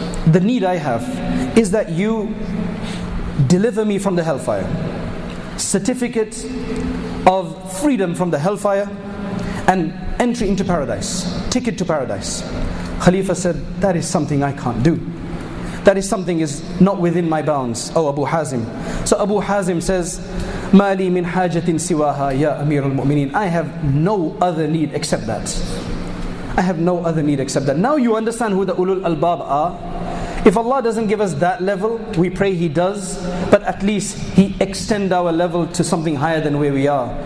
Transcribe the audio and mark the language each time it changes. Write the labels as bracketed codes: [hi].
[en] The need I have is that you deliver me from the hellfire. Certificate of freedom from the hellfire and entry into paradise. Ticket to paradise. Khalifa said, that is something I can't do. That is something is not within my bounds, oh Abu Hazim. So Abu Hazim says, [ar] مَالِي مِنْ حَاجَةٍ سِوَاهَا يَا أَمِيرُ الْمُؤْمِنِينَ. [en] I have no other need except that. I have no other need except that. Now you understand who the Ulul Albab are. If Allah doesn't give us that level, we pray He does. But at least He extend our level to something higher than where we are.